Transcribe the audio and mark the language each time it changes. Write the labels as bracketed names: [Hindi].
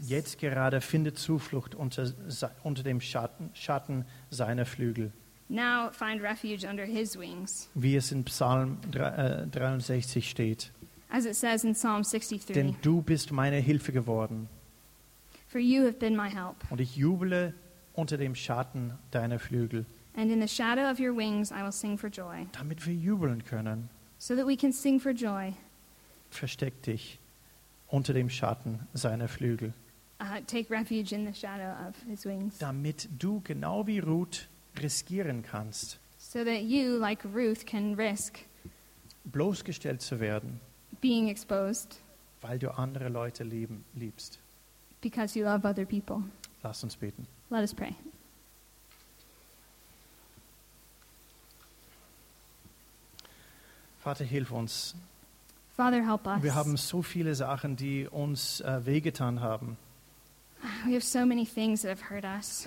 [German] Jetzt gerade finde Zuflucht unter dem Schatten seiner Flügel. [English] Now find refuge under his wings. [German] Wie es in Psalm 63 steht. [English] As it says in Psalm 63. [German] Denn du bist meine Hilfe geworden. [English] For you have been my help. [German] Und ich jubele unter dem Schatten deiner Flügel. [English] And in the shadow of your wings I will sing for joy. [German] Damit wir jubeln können. [English] So that we can sing for joy. [German] Versteck dich unter dem Schatten seiner Flügel. [English] Take refuge in the shadow of his wings. [German] Damit du genau wie Ruth riskieren kannst. [English] So that you, like Ruth, can risk [German] bloßgestellt zu werden. [English] Being exposed. [German] Weil du andere Leute liebst. [English] Because you love other people. [German] Lass uns beten. [English] Let us pray. [German] Vater, hilf uns. [English] Father, help us. [German] Wir haben so viele Sachen, die uns wehgetan haben. [English] We have so many things that have hurt us.